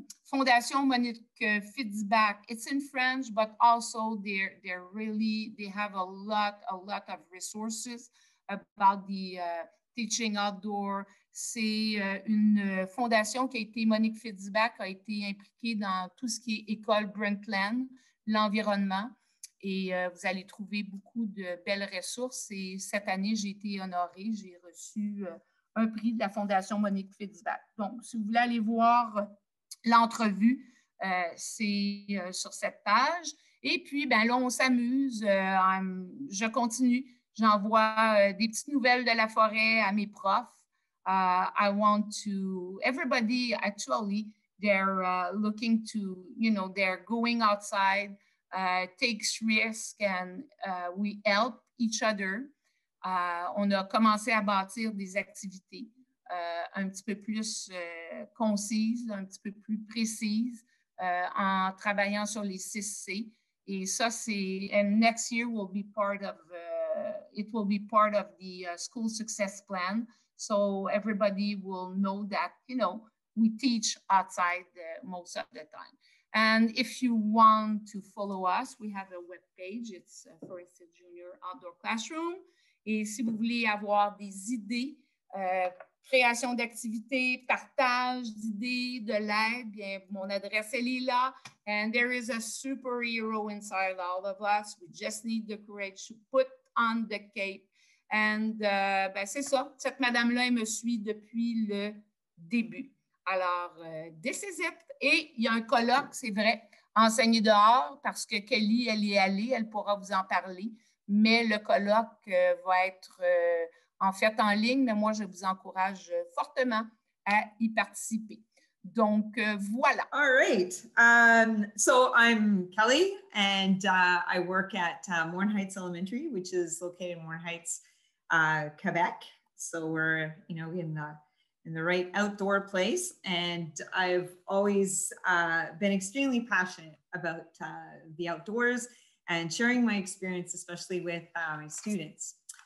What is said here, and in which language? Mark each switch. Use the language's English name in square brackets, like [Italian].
[English] Fondation Monique Feedback, it's in French, but also they're really, they have a lot of resources about the teaching outdoor. [French] C'est une fondation qui a été, Monique Feedback a été impliquée dans tout ce qui est école Brundtland, l'environnement. Et vous allez trouver beaucoup de belles ressources. Et cette année, j'ai été honorée. J'ai reçu un prix de la Fondation Monique Feedback. Donc, si vous voulez aller voir l'entrevue, c'est sur cette page. Et puis, ben là, on s'amuse. Je continue. J'envoie des petites nouvelles de la forêt à mes profs. [English] I want to... Everybody, actually, they're looking to, you know, they're going outside. Takes risk and we help each other. [French] On a commencé à bâtir des activités un petit peu plus concises, un petit peu plus précises en travaillant sur les 6C. Et ça, c'est, [English] and next year will be part of, it will be part of the school success plan. So everybody will know that, you know, we teach outside most of the time. And if you want to follow us, we have a web page. It's Forest Hill Junior Outdoor Classroom. [French] Et si vous voulez avoir des idées, création d'activités, partage d'idées, de l'aide, bien, mon adresse, elle est là. [English] And there is a superhero inside all of us. We just need the courage to put on the cape. [French] And ben, c'est ça. Cette madame-là, elle me suit depuis le début. Alors, [English] this is it. [French] Et il y a un colloque, c'est vrai, enseigner dehors, parce que Kelly, elle y est allée, elle pourra vous en parler. Mais le colloque va être en fait en ligne, mais moi, je vous encourage fortement à y participer. Donc, voilà. [English] All right. So I'm Kelly, and I work at Morin Heights Elementary, which is located in Morin Heights, Quebec. So we're, you know, in the right outdoor place. And I've always been extremely passionate about the outdoors and sharing my experience, especially with my students.